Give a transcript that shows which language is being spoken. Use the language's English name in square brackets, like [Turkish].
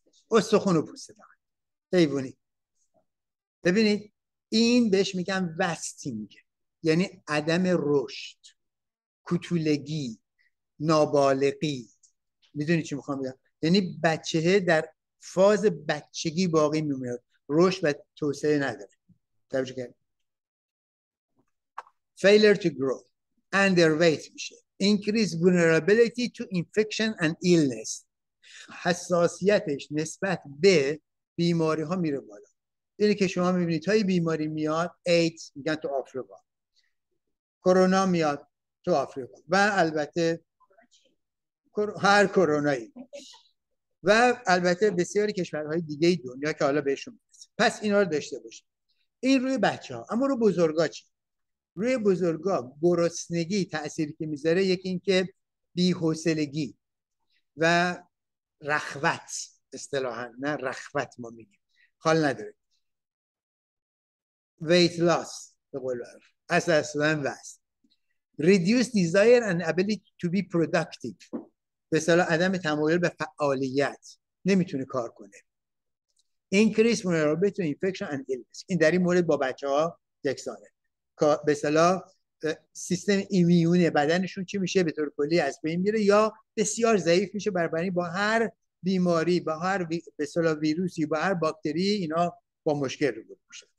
[Persian] استخون و پوسته دارن حیوانی. ببینید این بهش میگن وستینگ، یعنی عدم رشد، کوتولگی، نابالغی. میدونی چی میخوام بگم؟ یعنی بچه در فاز بچگی باقی میمونه، رشد و توسعه نداره. توجه کنید. [English] Failure to grow. [Persian] Underweight میشه. [English] Increase vulnerability to infection and illness. [Persian] حساسیتش نسبت به بیماری ها میره بالا. اینه که شما میبینید تا یه بیماری میاد، ایدز میگن تو آفریقا، کرونا میاد تو آفریقا، و البته هر کرونایی، و البته بسیاری کشورهای دیگه دنیا که حالا بهشون میرسه. پس اینا رو داشته باشید. این روی بچه ها. اما روی بزرگا چی؟ روی بزرگا گرسنگی تأثیری که میذاره، یکی این که بی‌حوصلگی و رخوت، اصطلاحا نه رخوت ما میگیم، حال نداره، [English] weight loss [Persian] به قول معروف، اساسا وزن، [English] reduce desire and ability to be productive، [Persian] به اصطلاح عدم تمایل به فعالیت، نمیتونه کار کنه. [English] increase vulnerability to infection and illness. [Persian] این در این مورد با بچه ها یکسانه. به اصطلاح سیستم ایمیون بدنشون چی میشه؟ به طور کلی از بین میره یا بسیار ضعیف میشه، برابری با هر بیماری، با هر به اصطلاح ویروسی، با هر باکتری، اینا با مشکل روبرو میشه.